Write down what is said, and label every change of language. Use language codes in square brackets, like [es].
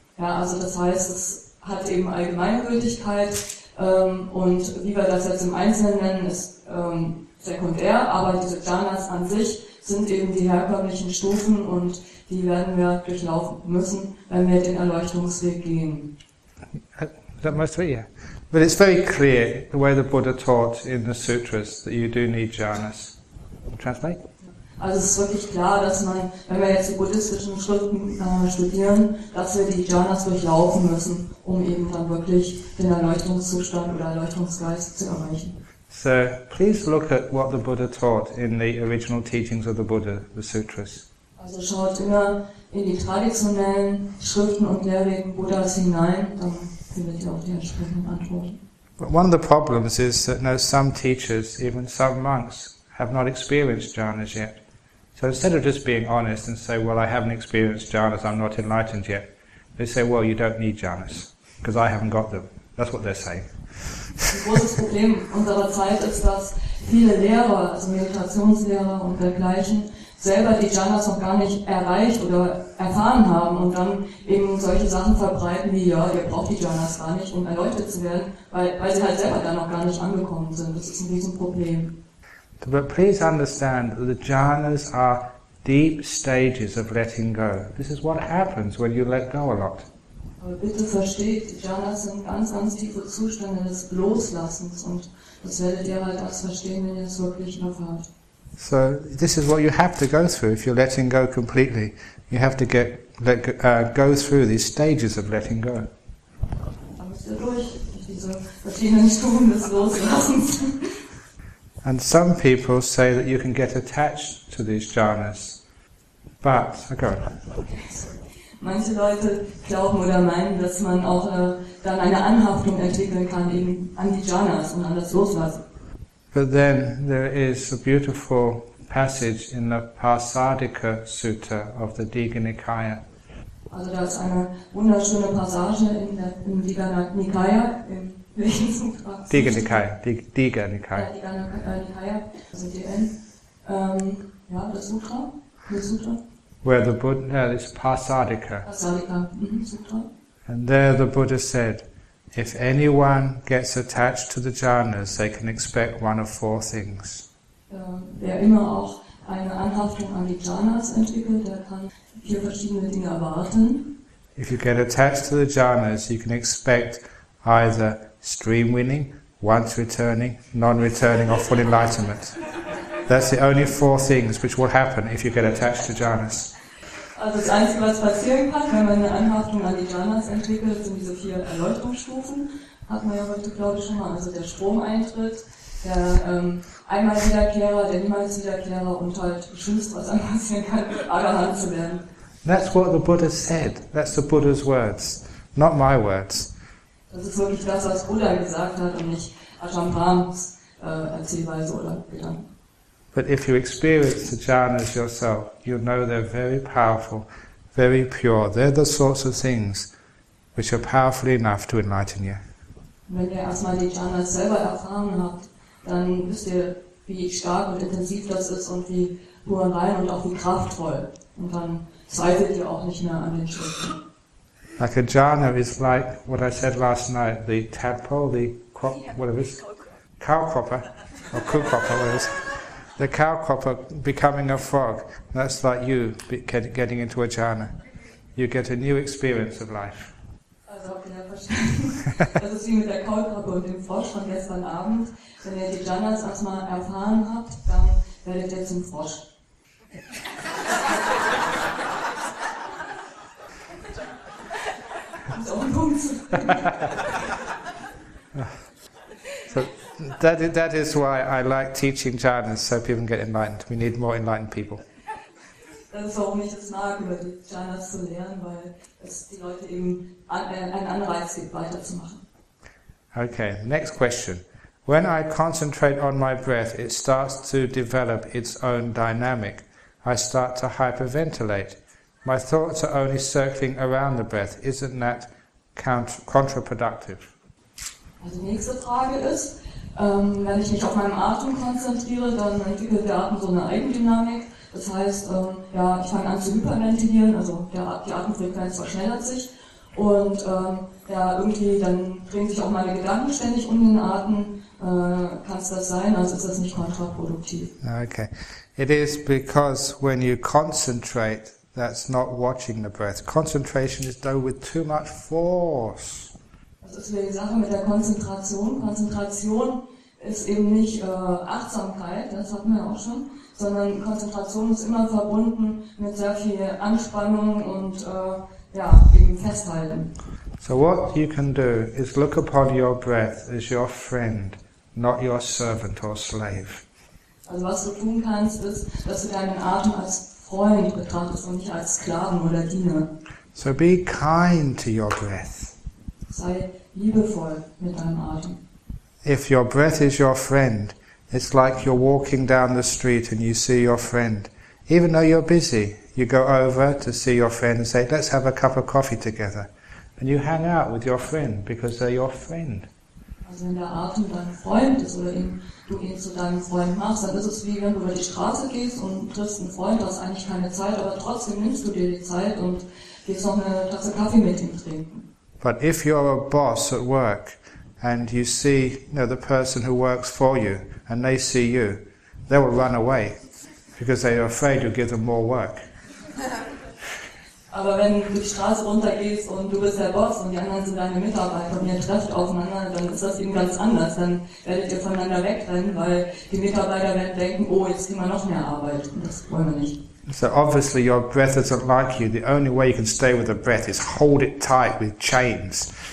[de] Ja, also das heißt, es hat eben Allgemeingültigkeit. Und wie wir das jetzt im Einzelnen nennen, ist sekundär, aber diese Jhanas an sich sind eben die herkömmlichen Stufen und die werden wir durchlaufen müssen, wenn wir den Erleuchtungsweg gehen. [en] That must be, yeah. But it's very clear, the way the Buddha taught in the sutras, that you do need Jhanas. Translate? [de] Also es ist wirklich klar, dass man, wenn wir jetzt die buddhistischen Schriften studieren, dass wir die Jhanas durchlaufen müssen, um eben dann wirklich den Erleuchtungszustand oder Erleuchtungsgeist zu erreichen. [en] So, please look at what the Buddha taught in the original teachings of the Buddha, the sutras. [de] Also schaut immer in die traditionellen Schriften und Lehrreden Buddhas hinein, dann findet ihr auch die entsprechenden Antworten. [en] But one of the problems is that some teachers, even some monks, have not experienced jhanas yet. So instead of just being honest and say, well, I haven't experienced jhanas, I'm not enlightened yet, they say, well, you don't need jhanas, because I haven't got them. That's what they're saying. [de] Ein großes Problem unserer Zeit ist, dass viele Lehrer, also Meditationslehrer und dergleichen, selber die jhanas noch gar nicht erreicht oder erfahren haben und dann eben solche Sachen verbreiten wie, ja, ihr braucht die jhanas gar nicht, um erleuchtet zu werden, weil sie halt selber da noch gar nicht angekommen sind. Das ist ein Riesenproblem. [en] But please understand that the jhanas are deep stages of letting go. This is what happens when you let go a lot. [de] Aber bitte versteht, jhanas sind ganz, ganz tiefe Zustände des Loslassens und das werdet ihr halt erst verstehen, wenn ihr es wirklich noch habt. [en] So this is what you have to go through if you're letting go completely. You have to go through these stages of letting go. [de] Da müsst ihr durch diese verschiedenen Stufen des Loslassens. [en] And some people say that you can get attached to these jhanas. But, go on. [de] Manche Leute glauben oder meinen, dass man auch dann eine Anhaftung entwickeln kann eben an die Jhanas und an das Loslassen. [en] But then there is a beautiful passage in the Parsadika Sutta of the Digha Nikaya. [de] Also da ist eine wunderschöne Passage in der im Digha Nikaya, im welchen Sutra? Digha Nikaya, Digha Nikaya. Ja, Digha Nikaya, also DN. Ja, das Sutra, das Sutra. [en] Where the Buddha, no, it's Parsadika. Parsadika. Mm-hmm. And there the Buddha said, if anyone gets attached to the jhanas, they can expect one of four things. [de] Wer immer auch eine Anhaftung an die jhanas entwickelt, der kann vier verschiedene Dinge erwarten. [en] If you get attached to the jhanas, you can expect either stream winning, once returning, non-returning, or full enlightenment. That's the only four things which will happen if you get attached to jhanas. [de] Also das Einzige, was passieren kann, wenn man eine Anhaftung an die jhanas entwickelt, sind diese vier Erläuterungsstufen. Hatten wir ja heute, glaube ich, schon mal. Also der Stromeintritt, der einmal Wiederkehrer, der niemals Wiederkehrer und halt das Schlimmste, was einem passieren kann, Arahant zu werden. [en] That's what the Buddha said. That's the Buddha's words, not my words. [de] Das ist wirklich das, was Buddha gesagt hat und nicht Ajahn Brahms Erzählweise oder Gedanken. [en] But if you experience the jhanas yourself, you'll know they're very powerful, very pure. They're the sorts of things which are powerful enough to enlighten you. [de] Wenn ihr erstmal die jhanas selber erfahren habt, dann wisst ihr, wie stark und intensiv das ist und wie pur und rein und auch wie kraftvoll. Und dann zweifelt ihr auch nicht mehr an den Schritten. [en] Like a jhana is like what I said last night, the tadpole, the crop, whatever it is. Cowcropper, or cowcropper, whatever it is. The cowcropper becoming a frog, that's like you getting into a jhana. You get a new experience of life. [de] Also, okay, das ist wie mit der Kaulquappe und dem Frosch von gestern Abend. Wenn ihr die Jhanas erstmal erfahren habt, dann werdet ihr zum Frosch. Das ist auch ein Punkt. [en] That is why I like teaching jhanas, so people can get enlightened. We need more enlightened people. [de] Das ist, warum ich es mag, über die jhanas zu lernen, weil es die Leute eben einen Anreiz gibt, weiterzumachen. [en] Okay, next question. When I concentrate on my breath, it starts to develop its own dynamic. I start to hyperventilate. My thoughts are only circling around the breath. Isn't that counterproductive? [de] Also die nächste Frage ist, wenn ich mich auf meinem Atem konzentriere, dann entwickelt der Atem so eine Eigendynamik. Das heißt, ja, ich fange an zu hyperventilieren, also die Atemfrequenz verschnellert sich. Und ja, irgendwie dann drehen sich auch meine Gedanken ständig um den Atem. Kann es das sein? Also ist das nicht kontraproduktiv? [en] Okay. It is because when you concentrate, that's not watching the breath. Concentration is done with too much force. [de] Das ist wieder die Sache mit der Konzentration. Konzentration ist eben nicht Achtsamkeit, das hatten wir auch schon, sondern Konzentration ist immer verbunden mit sehr viel Anspannung und ja, eben Festhalten. [en] So what you can do is look upon your breath as your friend, not your servant or slave. [de] Also was du tun kannst, ist, dass du deinen Atem als Freund betrachtest und nicht als Sklaven oder Diener. [en] So be kind to your breath. [de] Sei liebevoll mit deinem Atem. [en] If your breath is your friend, it's like you're walking down the street and you see your friend. Even though you're busy, you go over to see your friend and say, let's have a cup of coffee together. And you hang out with your friend because they're your friend. [de] Also wenn der Atem dein Freund ist oder du ihn zu deinem Freund machst, dann ist es wie wenn du über die Straße gehst und triffst einen Freund, du hast eigentlich keine Zeit, aber trotzdem nimmst du dir die Zeit und gehst noch eine Tasse Kaffee mit ihm trinken. [en] But if you're a boss at work and you see the person who works for you and they see you, they will run away because they are afraid you'll give them more work. [de] Aber wenn du die Straße runtergehst und du bist der Boss und die anderen sind deine Mitarbeiter und ihr trefft aufeinander, dann ist das eben ganz anders. Dann werdet ihr voneinander wegrennen, weil die Mitarbeiter werden denken, oh, jetzt kriegen wir noch mehr Arbeit. Und das wollen wir nicht. [en] So obviously your breath doesn't like you. The only way you can stay with the breath is hold it tight with chains.